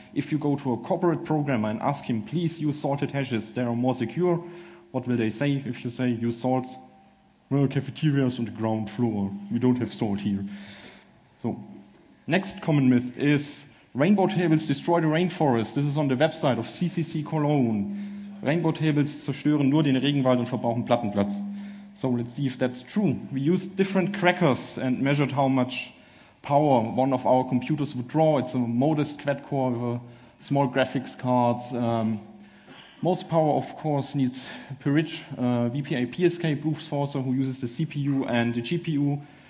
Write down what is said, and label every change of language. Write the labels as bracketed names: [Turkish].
[English] If you go to a corporate programmer and ask him, please use salted hashes, they are more secure, what will they say if you say use salts? Well, cafeterias on the ground floor. We don't have salt here. So, next common myth is rainbow tables destroy the rainforest. This is on the website of CCC Cologne. [German] Rainbow tables zerstören nur den Regenwald und verbrauchen Plattenplatz. [English] So, let's see if that's true. We used different crackers and measured how much power one of our computers would draw. It's a modest quad-core with small graphics cards. Most power, of course, needs Pirit, VPA PSK proof sourcer who uses the CPU and the GPU.